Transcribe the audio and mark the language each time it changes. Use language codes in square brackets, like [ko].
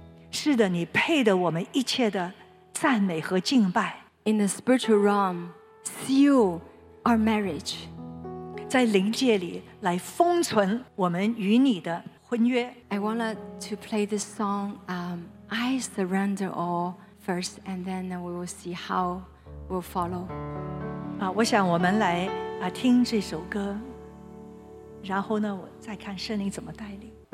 [zh] 是的，你配得我们一切的赞美和敬拜。 [en] In the spiritual realm, seal our marriage. [zh] 在灵界里来封存我们与你的 [en] I want to play this song, I Surrender All first, and then we will see how we'll follow. [zh] 我想我们来听这首歌，然后呢，我再看圣灵怎么带领。